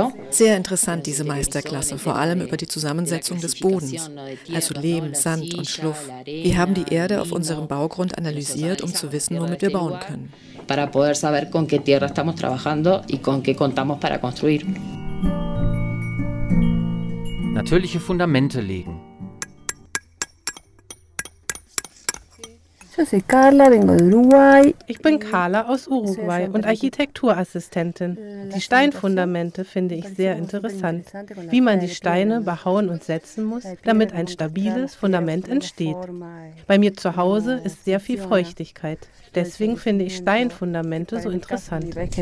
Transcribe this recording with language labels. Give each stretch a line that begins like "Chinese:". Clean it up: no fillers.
German: Sehr interessant diese Meisterklasse, vor allem über die Zusammensetzung des Bodens, also Lehm, Sand und Schluff. Wir haben die Erde auf unserem Baugrund analysiert, um zu wissen, womit wir bauen können.
Spanish: Para poder saber con qué tierra estamos trabajando y con qué contamos para construir.
German: Natürliche Fundamente legen.
Spanish: Yo soy Carla, vengo de Uruguay.
German: Ich bin Carla aus Uruguay und Architekturassistentin. Die Steinfundamente finde ich sehr interessant, wie man die Steine behauen und setzen muss, damit ein stabiles Fundament entsteht. Bei mir zu Hause ist sehr viel Feuchtigkeit, deswegen finde ich Steinfundamente so interessant.